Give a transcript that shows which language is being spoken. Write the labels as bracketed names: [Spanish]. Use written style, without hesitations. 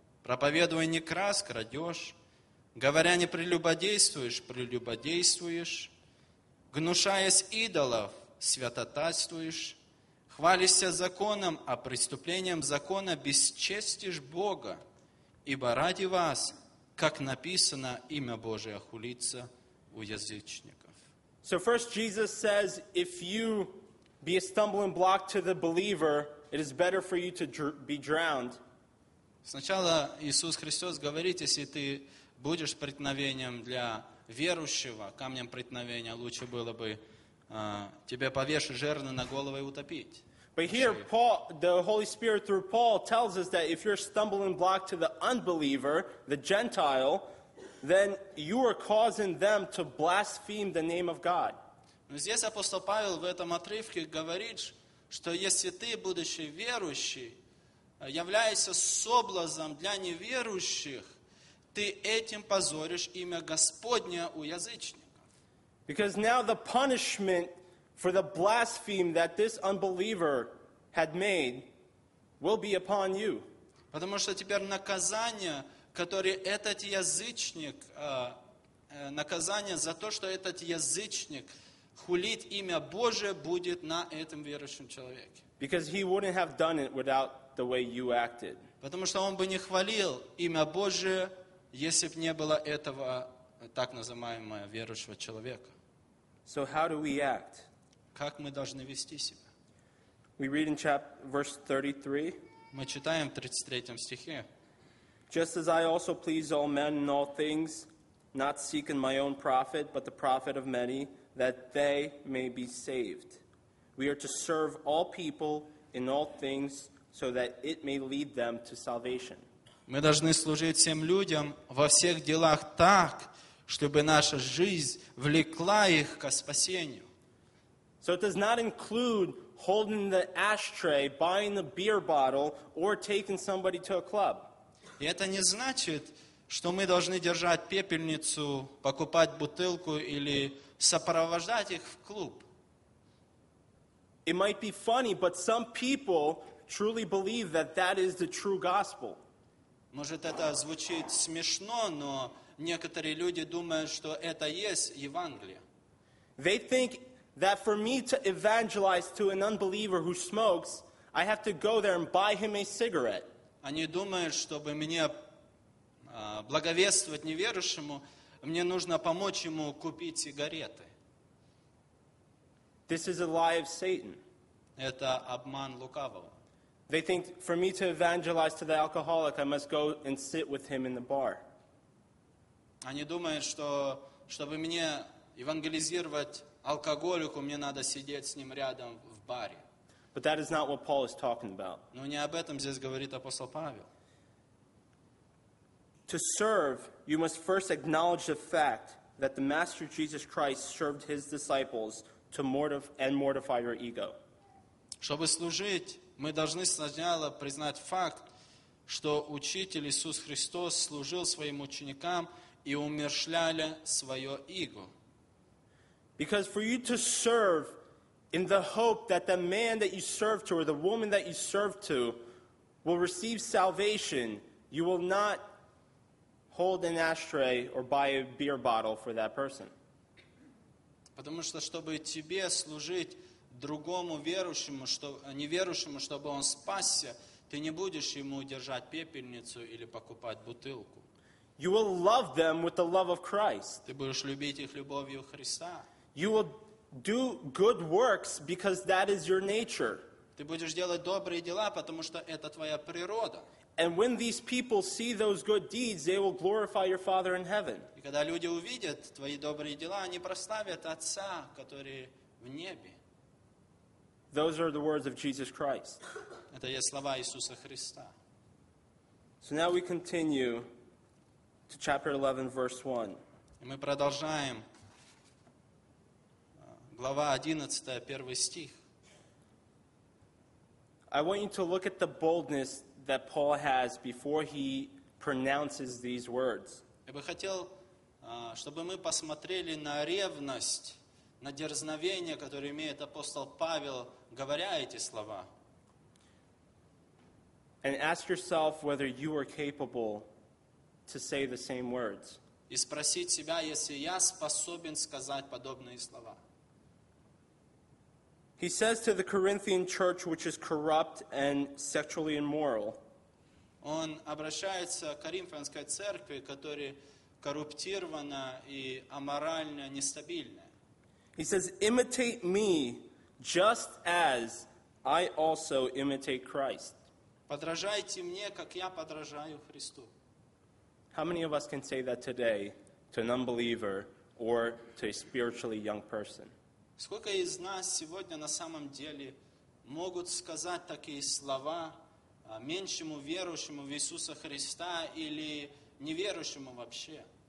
[Russian] Проповедуя не крадь, крадешь. Говоря не прелюбодействуешь, прелюбодействуешь. Гнушаясь идолов, святотатствуешь. Хвалишься законом, а преступлением закона бесчестишь Бога. Ибо ради вас, как написано, имя Божие хулится у язычников. [English] So first Jesus says, if you be a stumbling block to the believer, it is better for you to be drowned. [Russian] Сначала Иисус Христос говорит, если ты будешь преткновением для верующего, камнем преткновения, лучше было бы тебе повешать жернов на голову и утопить. [English] But here, Paul, the Holy Spirit through Paul tells us that if you're a stumbling block to the unbeliever, the Gentile, then you are causing them to blaspheme the name of God. [Russian] Но здесь апостол Павел в этом отрывке говорит, что если ты, будучи верующий, являешься соблазном для неверующих, ты этим позоришь имя Господне у язычников. [English] Because now the punishment for the blaspheme that this unbeliever had made will be upon you. [Russian] Потому что теперь наказание, которое этот язычник, наказание за то, что этот язычник хулит имя Божие, будет на этом верующем человеке. [English] Because he wouldn't have done it without the way you acted. [Russian] Потому что он бы не хвалил имя Божие, если бы не было этого так называемого верующего человека. [English] So how do we act? [Russian] Как мы должны вести себя? [English] We read in verse 33. [Russian] Мы читаем в 33 стихе. [English] Just as I also please all men in all things, not seeking my own profit, but the profit of many, that they may be saved. We are to serve all people in all things so that it may lead them to salvation. [Russian] Мы должны служить всем людям во всех делах так, чтобы наша жизнь влекла их ко спасению. [English] So it does not include holding the ashtray, buying a beer bottle, or taking somebody to a club. [Russian] И это не значит, что мы должны держать пепельницу, покупать бутылку или сопровождать их в клуб. [English] It might be funny, but some people truly believe that that is the true gospel. [Russian] Может, это звучит смешно, но некоторые люди думают, что это есть Евангелие. [English] They think that for me to evangelize to an unbeliever who smokes, I have to go there and buy him a cigarette. [Russian] Они думают, чтобы мне благовествовать неверующему, мне нужно помочь ему купить сигареты. [English] This is a lie of Satan. [Russian] Это обман лукавого. [English] They think for me to evangelize to the alcoholic, I must go and sit with him in the bar. [Russian] Они думают, что чтобы мне евангелизировать алкоголику, мне надо сидеть с ним рядом в баре. [English] But that is not what Paul is talking about. [Russian] Но не об этом здесь говорит апостол Павел. [English] To serve, you must first acknowledge the fact that the Master Jesus Christ served his disciples to mortify your ego. [Russian] Чтобы служить, мы должны сначала признать факт, что учитель Иисус Христос служил своим ученикам и умерщвляли свое иго. [English] Because for you to serve in the hope that the man that you serve to or the woman that you serve to will receive salvation, you will not hold an ashtray or buy a beer bottle for that person. [Russian] Потому что, чтобы тебе служить другому верующему, неверующему, чтобы он спасся, ты не будешь ему держать пепельницу или покупать бутылку. [English] You will love them with the love of Christ. [Russian] Ты будешь любить их любовью Христа. [English] You will do good works because that is your nature. [Russian] Ты будешь делать добрые дела, потому что это твоя природа. [English] And when these people see those good deeds, they will glorify your Father in heaven. [Russian] И когда люди увидят твои добрые дела, они прославят Отца, который в небе. [English] Those are the words of Jesus Christ. [Russian] Это есть слова Иисуса Христа. [English] So now we continue to chapter 11, verse 1. [Russian] И мы продолжаем. Глава 11, первый стих. [English] I want you to look at the boldness that Paul has before he pronounces these words. [Russian] Я бы хотел, чтобы мы посмотрели на ревность, на дерзновение, которое имеет апостол Павел, говоря эти слова. [English] And ask yourself whether you are capable to say the same words. [Russian] И спросить себя, если я способен сказать подобные слова. [English] He says to the Corinthian church, which is corrupt and sexually immoral. [Russian] Он обращается к Коринфянской церкви, которая коррумпирована и аморально нестабильна. [English] He says, "Imitate me, just as I also imitate Christ." [Russian] Подражайте мне, как я подражаю Христу. [English] How many of us can say that today to an unbeliever or to a spiritually young person? [Russian] Сколько из нас сегодня на самом деле могут сказать такие слова меньшему верующему в Иисуса Христа или неверующему вообще?